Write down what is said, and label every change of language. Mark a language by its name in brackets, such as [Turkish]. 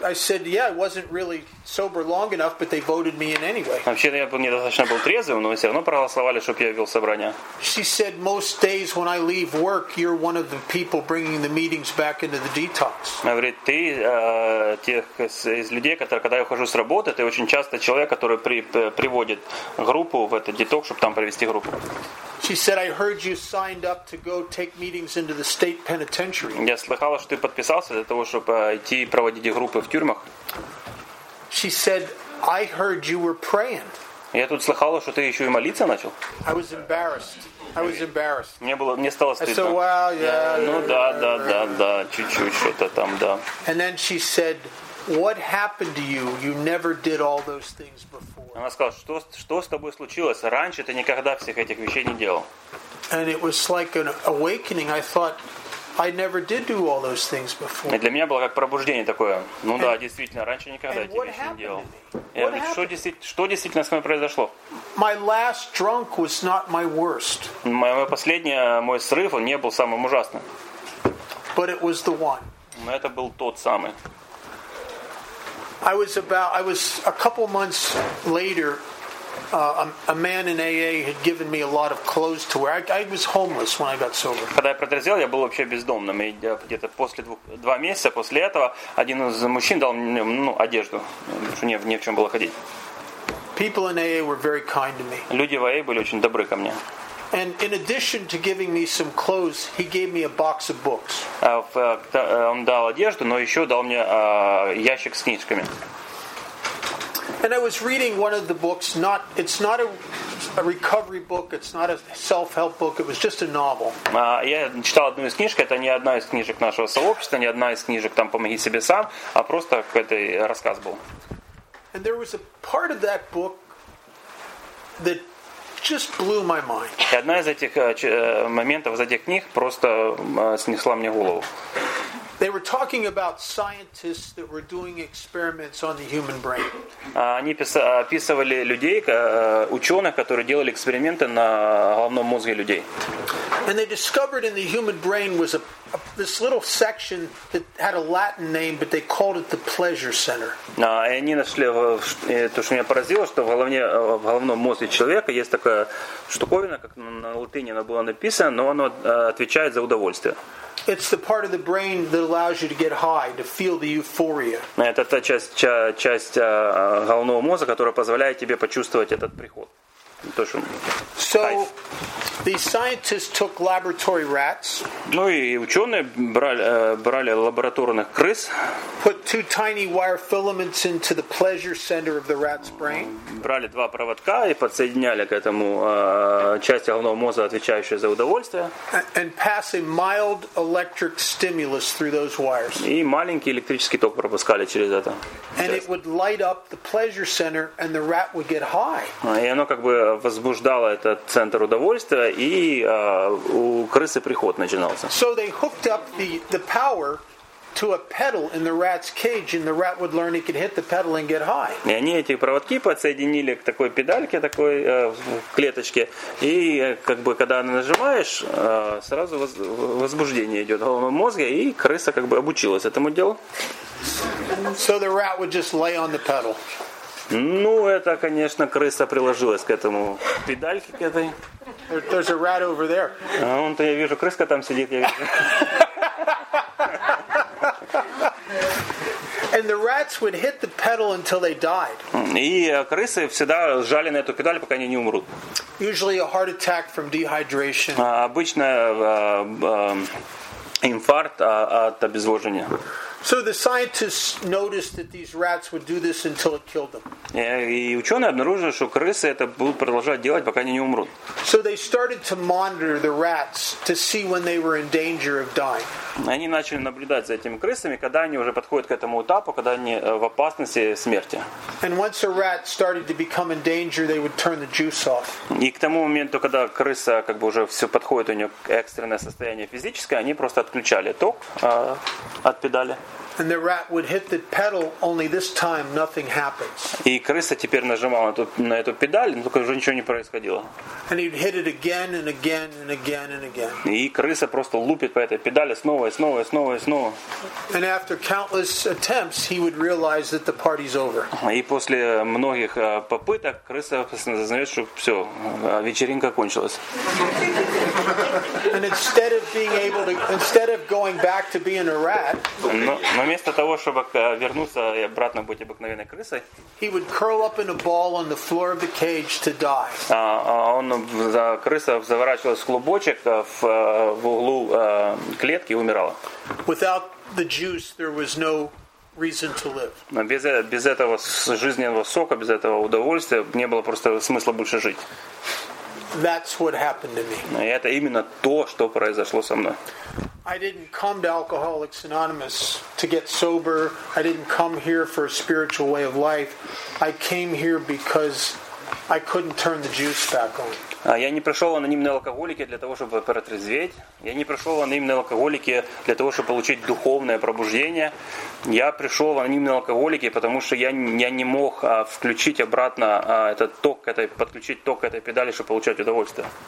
[English] I said, "Yeah, I wasn't really sober long enough, but they voted me in anyway." [Russian] Вообще, я недостаточно был трезвым, но все равно проголосовали, чтобы я вел собрание. [English] She said, "Most days when I leave work, you're one of the people bringing the meetings back into the detox." [Russian] Она говорит, ты тех из людей, которые, когда я ухожу с работы, ты очень часто человек, который приводит группу в этот деток, чтобы там провести группу. [English] She said, "I heard you signed up to go take meetings into the state penitentiary." [Russian] Я слыхала, что ты подписался для того, чтобы идти проводить группы в тюрьмах. [English] She said, "I heard you were praying." [Russian] Я тут слыхала, что ты еще и молиться начал. [English] I was embarrassed. I was embarrassed. [Russian] Мне стало стыдно. [English] I said, "Well, yeah." [Russian] Ну да, да, да, да, чуть-чуть что-то там, да. [English] And then she said, "What happened to you? You never did all those things before." [Russian] Она сказала, что с тобой случилось? Раньше ты никогда всех этих вещей не делал. [English] And it was like an awakening. I thought, I never did do all those things before. [Russian] И для меня было как пробуждение такое. Ну да, действительно, раньше никогда эти вещи не делал. Я говорю, что действительно с мной произошло? [English] My last drunk was not my worst. [Russian] Мой последний, мой срыв, он не был самым ужасным. [English] But it was the one. [Russian] Но это был тот самый. [English] I was a couple months later, a man in AA had given me a lot of clothes to wear. I was homeless when I got sober. [Russian] Когда я протрезвел, я был вообще бездомным. И где-то после два месяца после этого один из мужчин дал мне одежду, что не в чем было ходить. [English] People in AA were very kind to me. [Russian] Люди в AA были очень добры ко мне. [English] And in addition to giving me some clothes, he gave me a box of books. [Russian] Он дал одежду, но еще дал мне ящик с книжками. [English] And I was reading one of the books. It's not a recovery book. It's not a self-help book. It was just a novel. [Russian] Я читал одну из книжек. Это не одна из книжек нашего сообщества, не одна из книжек там «Помоги себе сам», а просто какой-то рассказ был. [English] And there was a part of that book that just blew my mind. [Russian] И одна из этих моментов из этих книг просто снесла мне голову. [English] They were talking about scientists that were doing experiments on the human brain. [Russian] Они описывали людей, ученых, которые делали эксперименты на головном мозге людей. [English] And they discovered in the human brain was this little section that had a Latin name, but they called it the pleasure center. [Russian] И они нашли то, что меня поразило, что в головном мозге человека есть такая штуковина, как на латыни она была написана, но оно отвечает за удовольствие. [English] It's the part of the brain that allows you to get high, to feel the euphoria. [Russian] Это та часть головного мозга, которая позволяет тебе почувствовать этот приход. [English] So, the scientists took laboratory rats. [Russian] Ну и ученые брали лабораторных крыс. [English] Put two tiny wire filaments into the pleasure center of the rat's brain. [Russian] Брали два проводка и подсоединяли к этому части головного мозга, отвечающей за удовольствие. [English] And pass a mild electric stimulus through those wires. [Russian] И маленький электрический ток пропускали через это. [English] And it would light up the pleasure center, and the rat would get high. [Russian] И оно как бы возбуждало этот центр удовольствия, и у крысы приход начинался. [English] So they hooked up the power to a pedal in the rat's cage, and the rat would learn he could hit the pedal and get high. [Russian] И они эти проводки подсоединили к такой педальке, такой клеточке, и как бы когда нажимаешь, сразу возбуждение идет головного мозга, и крыса как бы обучилась этому делу. [English] So the rat would just lay on the pedal. [Russian] Ну, это, конечно, крыса приложилась к этому педальке к этой. [English] There's a rat over there. [Russian] А он-то я вижу, крыска там сидит. Я вижу. [English] And the rats would hit the pedal until they died. [Russian] И крысы всегда жали на эту педаль, пока они не умрут. [English] Usually a heart attack from dehydration. [Russian] Обычно инфаркт от обезвоживания. [English] So the scientists noticed that these rats would do this until it killed them. [Russian] И ученые обнаружили, что крысы это будут продолжать делать, пока они не умрут. [English] So they started to monitor the rats to see when they were in danger of dying. [Russian] Они начали наблюдать за этими крысами, когда они уже подходят к этому этапу, когда они в опасности смерти. [English] And once a rat started to become in danger, they would turn the juice off. [Russian] И к тому моменту, когда крыса как бы уже все подходит у нее к экстренное состояние физическое, они просто отключали ток от педали. [English] And the rat would hit the pedal, only this time nothing happens. [Russian] И крыса теперь нажимала на эту педаль, но только уже ничего не происходило. [English] And he'd hit it again and again and again and again. [Russian] И крыса просто лупит по этой педали снова и снова и снова и снова. [English] And after countless attempts, he would realize that the party's over. [Russian] И после многих попыток крыса осознает, что все, вечеринка кончилась. [English] And instead of being able to, instead of going back to being a rat. [Russian] Но вместо того, чтобы вернуться и обратно быть обыкновенной крысой, [English] he would curl up in a ball on the floor of the cage to die. [Russian] Крыса заворачивалась в клубочек в углу клетки и умирала. [English] Without the juice, there was no reason to live. [Russian] Без этого жизненного сока, без этого удовольствия не было просто смысла больше жить. [English] That's what happened to me. [Russian] И это именно то, что произошло со мной. [English] I didn't come to Alcoholics Anonymous to get sober. I didn't come here for a spiritual way of life. I came here because I couldn't turn the juice back on. [Russian] Я не пришел в анонимные алкоголики для того, чтобы протрезветь. Я не пришел в анонимные алкоголики для того, чтобы получить духовное пробуждение. Я пришел в анонимные алкоголики, потому что я не мог включить обратно этот ток, подключить ток к этой педали, чтобы получать удовольствие.